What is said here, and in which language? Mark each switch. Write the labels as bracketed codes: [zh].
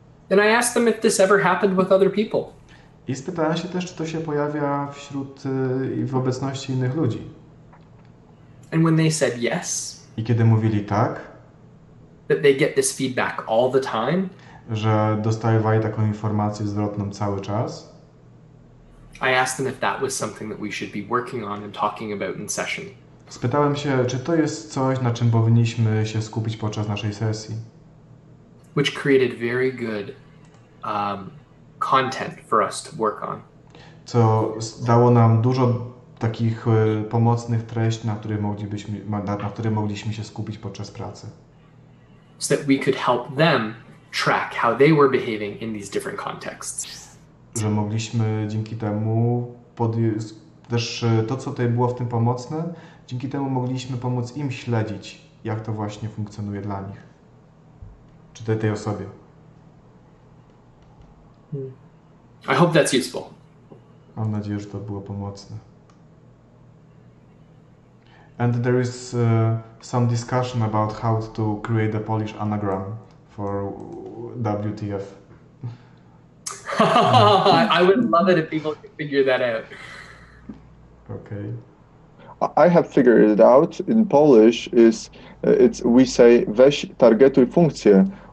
[en] And I asked them if this ever happened with other people. [pl] I spytałem się też, czy to się pojawia wśród w obecności innych ludzi. [en] And when they said yes, [pl] i kiedy mówili tak, [en] that they get this feedback all the time, [pl] że dostawali taką informację zwrotną cały czas, [en] I asked them if that was something that we should be working on and talking about in session. [pl] Spytałem się, czy to jest coś, na czym powinniśmy się skupić podczas naszej sesji. [en] Which created very good content for us to work on. [pl] Co dało nam dużo takich pomocnych treści, na których mogliśmy się skupić podczas pracy. [en] So that we could help them track how they were behaving in these different contexts. [pl] Że mogliśmy dzięki temu też to, co tutaj było w tym pomocne, dzięki temu mogliśmy pomóc im śledzić, jak to właśnie funkcjonuje dla nich, czy tej osobie. [en] I hope that's useful. [pl] Mam nadzieję, że to było pomocne. [en] And there is some discussion about how to create a Polish anagram for WTF. I would love it if people could figure that out. Okay. I have figured it out. In Polish, it's we say [pl] weź targetuj funkcję.